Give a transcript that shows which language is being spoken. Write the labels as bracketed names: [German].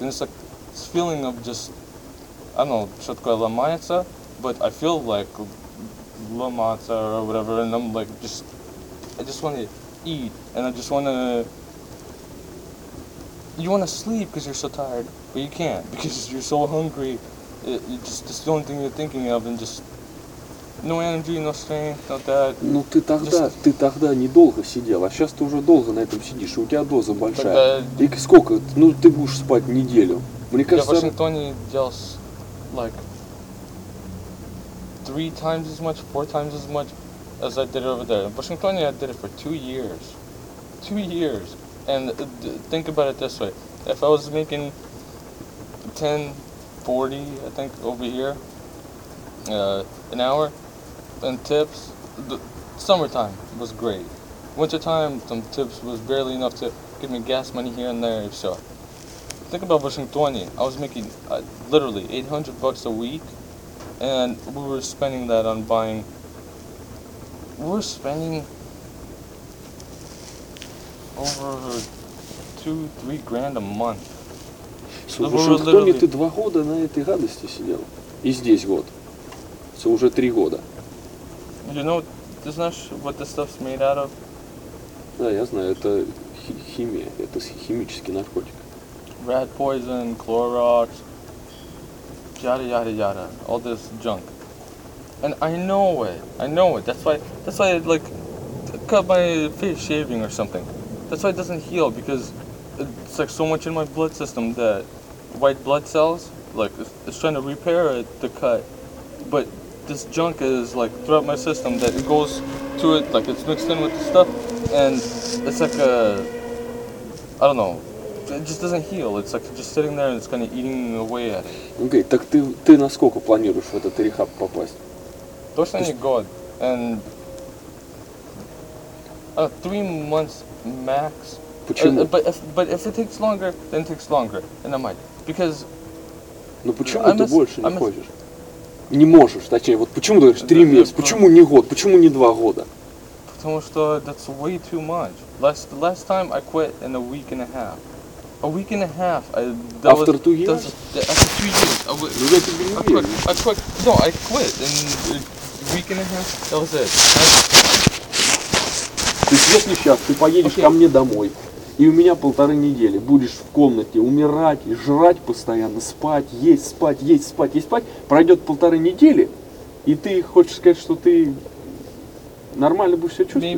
[English] And it's like this feeling of just, I don't know, [Russian] что такое ломается, [English] but I feel like ломаться or whatever, and I'm like just, I just want to eat, and I just want to. You want to sleep because you're so tired, but you can't because you're so hungry. It's just the only thing you're thinking of, and just no energy, no strength, not that. [Russian] Ну ты тогда, [English] just... [Russian] ты тогда недолго сидел, а сейчас ты уже долго на этом сидишь, и у тебя доза большая. Тогда... И сколько? Ну ты будешь спать неделю. Мне кажется. Я в Вашингтоне делал [English] like 3 times as much, 4 times as much as I did over there. In Вашингтоне I did it for 2 years. 2 years. And think about it this way. If I was making 10.40, I think, over here, an hour, and tips, the summertime was great. Wintertime, some tips was barely enough to give me gas money here and there, so. Think about Washington. I was making literally $800 a week, and we were spending that on buying, we were spending over 2-3 grand a month. [Russian] Слушай, в Вашингтоне ты 2 года на этой гадости сидел. И здесь год. Это уже 3 года. [English] You know, [Russian] ты знаешь, [English] what this stuff's made out of? [Russian] Да, я знаю, это химия, это химический наркотик. [English] Rat poison, Clorox, yada, all this junk. And I know it, that's why I, like, cut my face shaving or something. That's why it doesn't heal, because it's like so much in my blood system that white blood cells, like, it's trying to repair it, the cut, but this junk is like throughout my system that it goes to it, like it's mixed in with the stuff, and it's like a, I don't know, it just doesn't heal. It's like just sitting there and it's kind of eating away at it. [Russian] Okay, так ты на сколько планируешь в этот рехаб попасть? Точно не год, [English] and 3 months max. [Russian] Почему? [English] But if it takes longer, then it takes longer, and I might. Because. [Russian] Но почему ты больше не хочешь? Не можешь, точнее, вот почему ты говоришь 3 месяца? Почему не год? Почему не 2 года? Потому что [English] that's way too much. Last time I quit in a week and a half. A week and a half. After 2 years? After 2 years. I quit in a week and a half. That was it. [Russian] Ты если сейчас ты поедешь ко мне домой, и у меня 1.5 недели будешь в комнате умирать и жрать постоянно, спать, есть, спать, есть, спать, есть, спать, пройдет 1.5 недели, и ты хочешь сказать, что ты нормально будешь себя чувствовать?